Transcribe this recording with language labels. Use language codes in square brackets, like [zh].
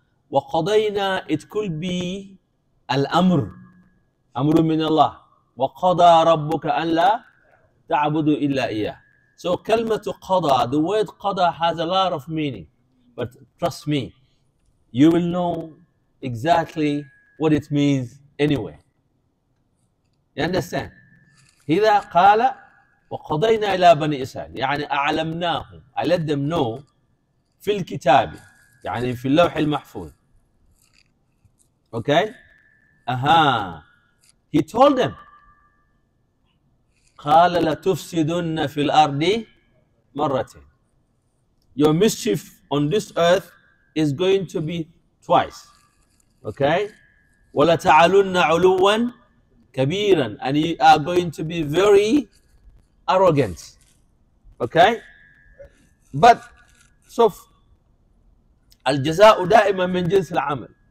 [ar] وَقَضَيْنَا it could be الْأَمْرُ. أَمْرُ مِنَ اللَّهِ. وَقَضَى رَبُّكَ أَلَّا تَعْبُدُوا إِلَّا إِيَّاهُ. [en] So [ar] كلمة قضى, [en] the word قضى has a lot of meaning. But trust me, you will know exactly what it means anyway. You understand? [ar] هذا قال وقضينا إلى بني إسرائيل يعني أعلمناه. [en] I let them know [ar] في الكتاب يعني في اللوح المحفوظ. [en] Okay? He told them [ar] قال لتفسدن في الأرض مرتين. [en] Your mischief on this earth is going to be twice. Okay? [ar] وَلَتَعَلُنَّ عُلُوًّا كَبِيرًا. [en] And you are going to be very arrogant. Okay? But, so, [ar] الْجَزَاءُ دَائِمًا مِنْ جِنْسِ الْعَمَلِ.